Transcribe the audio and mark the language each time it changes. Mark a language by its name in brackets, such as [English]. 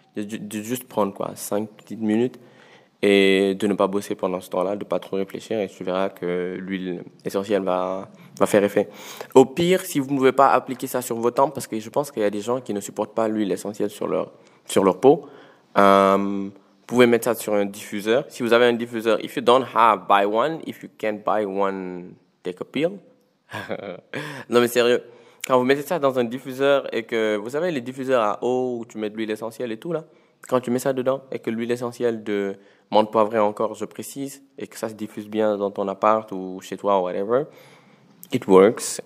[French] De juste prendre quoi, 5 petites minutes. Et de ne pas bosser pendant ce temps-là, de ne pas trop réfléchir, et tu verras que l'huile essentielle va faire effet. Au pire, si vous ne pouvez pas appliquer ça sur vos tempes, parce que je pense qu'il y a des gens qui ne supportent pas l'huile essentielle sur leur peau, vous pouvez mettre ça sur un diffuseur. Si vous avez un diffuseur, [English] if you don't have, buy one. If you can't buy one, take a pill. [French] Non mais sérieux, quand vous mettez ça dans un diffuseur, et que vous savez les diffuseurs à eau où tu mets de l'huile essentielle et tout là, quand tu mets ça dedans et que l'huile essentielle de menthe poivrée encore, je précise, et que ça se diffuse bien dans ton appart ou chez toi ou whatever, [English] it works.